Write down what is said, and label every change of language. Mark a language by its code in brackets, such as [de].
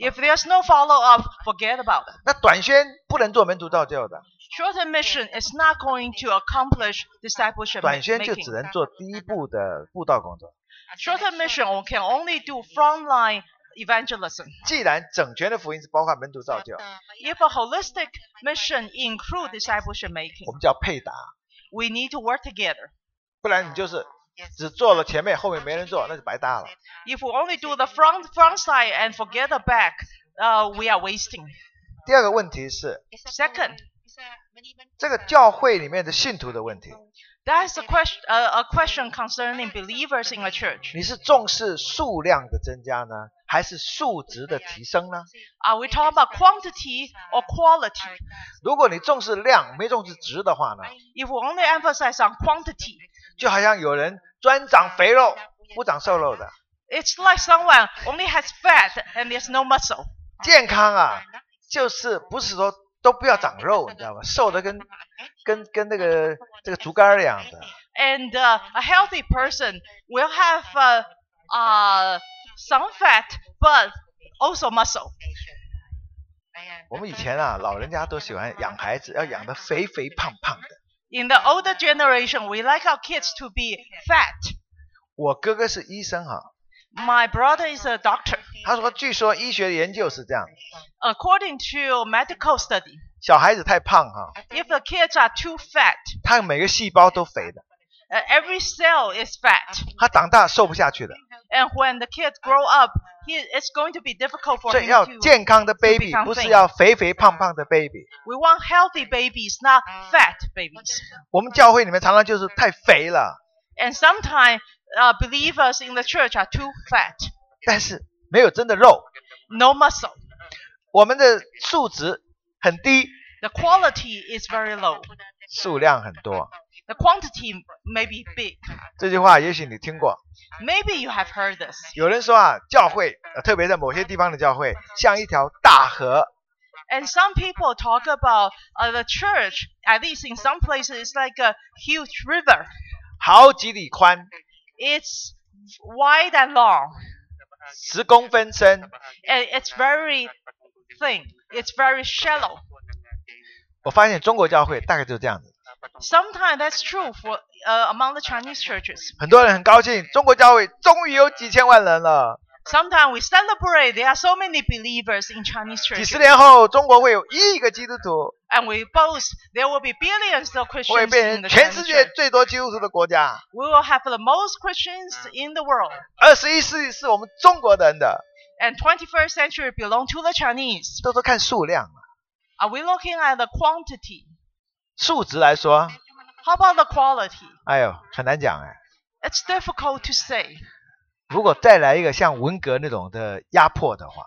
[en] If there's no follow up, forget about it. [zh] 那短宣不能做门徒造就的。 [en] Short mission is not going to accomplish discipleship. [zh] 短宣就只能做第一步的布道工作。 [en] Short mission can only do frontline evangelism. [zh] 既然整全的福音是包括门徒造就。 [en] If a holistic mission include discipleship making. [zh] 我们叫配搭。 [en] We need to work together. [zh] 不然你就是只做了前面，后面没人做，那就白搭了。 [en] If we only do the front side and forget the back, we are wasting. [zh] 第二个问题是 [en] ，Second， [zh] 这个教会里面的信徒的问题。 [en] That's a question concerning believers in a church. [zh] 你是重视数量的增加呢，还是数值的提升呢 [en] ？Are we talking about quantity or quality? [zh] 如果你重视量，没重视值的话呢 [en] ？If we only emphasize on quantity, [zh] 就好像有人专长肥肉，不长瘦肉的。 [en] It's like someone only has fat and there's no muscle. [zh] 健康啊，就是不是说。都不要长肉，你知道吗？瘦的跟那个这个竹竿一样的。 [en] And a healthy person will have some fat, but also muscle. [zh] 我们以前啊，老人家都喜欢养孩子，要养得肥肥胖胖的。 [en] In the older generation, we like our kids to be fat. [zh] 我哥哥是医生哈。 [en] My brother is a doctor. [zh] 他说，据说医学研究是这样。 [en] According to medical study, [zh] 小孩子太胖哈。 [en] If the kids are too fat, [zh] 他每个细胞都肥的。 [en] Every cell is fat. [zh] 他长大瘦不下去的。 [en] And when the kids grow up, it's going to be difficult for him to become [zh] thin. 所以要健康的 baby, 不是要肥肥胖胖的 baby. [en] We want healthy babies, not fat babies. [zh] 我们教会里面常常就是太肥了。 [en] And sometimes,believers in the church are too fat. [zh] 但是没有真的肉。 [en] No muscle. [zh] 我们的数值很低。 [en] The quality is very low. [zh] 数量很多。 [en] The quantity may be big. [zh] 这句话也许你听过。 [en] Maybe you have heard this. [zh] 有人说啊，教会，特别在某些地方的教会，像一条大河。 [en] And some people talk about the church, at least in some places, is like a huge river. [zh] 好几里宽。 [en] It's wide and long. [zh] 十公分深。 [en] And it's very thin. It's very shallow. [zh] 我发现中国教会大概就是这样子。 [en] Sometimes that's true for among the Chinese churches. [zh] 很多人很高兴，中国教会终于有几千万人了。 [en] Sometimes we celebrate there are so many believers in Chinese churches. [zh] 几十年后，中国会有一亿个基督徒。 [en] And we boast there will be billions of Christians. [zh] 会变成全世界最多基督徒的国家。 [en] We will have the most Christians in the world. [zh] 二十一世纪是我们中国人的。 [en] And 21st century belong to the Chinese. [zh] 都是看数量。 [en] Are we looking at the quantity? [zh] 数值来说， [en] How about the quality? [zh] 哎呦，很难讲哎。 [en] It's difficult to say. [zh] 如果带来一个像文革那种的压迫的话。